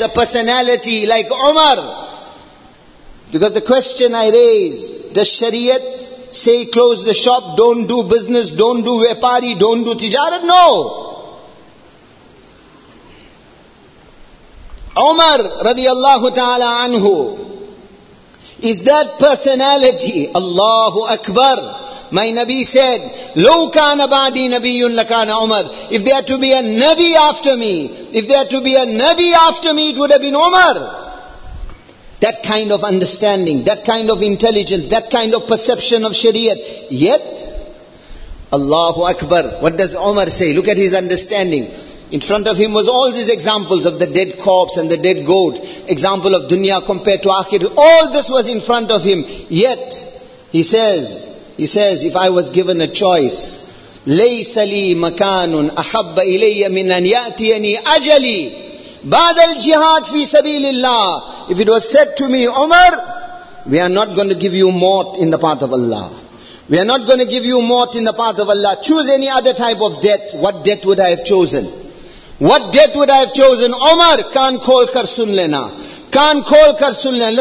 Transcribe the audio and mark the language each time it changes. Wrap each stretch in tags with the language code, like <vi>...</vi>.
<en>A personality like Umar. Because the question I raise, does Shariat say close the shop, don't do business, don't do wepari, don't do tijarat? No. Umar radiallahu ta'ala anhu is that personality. Allahu Akbar. My Nabi said,</en> <ar>لَوْ كَانَ بَعْدِي نَبِيٌّ لَكَانَ عُمَرْ.</ar> <en>If there to be a Nabi after me, it would have been Umar. That kind of understanding, that kind of intelligence, that kind of perception of Shariat. Yet, Allahu Akbar, what does Umar say? Look at his understanding. In front of him was all these examples of the dead corpse and the dead goat, example of dunya compared to akhirah. All this was in front of him. Yet, he says, if I was given a choice,</en> <ar>لَيْسَ لِي مَكَانٌ أَحَبَّ إِلَيَّ مِنْ أَنْ يَأْتِيَنِي أَجَلِي بَعْدَ الْجِهَادِ فِي سَبِيلِ اللَّهِ.</ar> <en>If it was said to me, Umar, we are not going to give you maut in the path of Allah. We are not going to give you maut in the path of Allah. Choose any other type of death. What death would I have chosen? What death would I have chosen?</en> <ur>Umar, kaan khol kar sun lena. Kaan khol kar sun lena.</ur>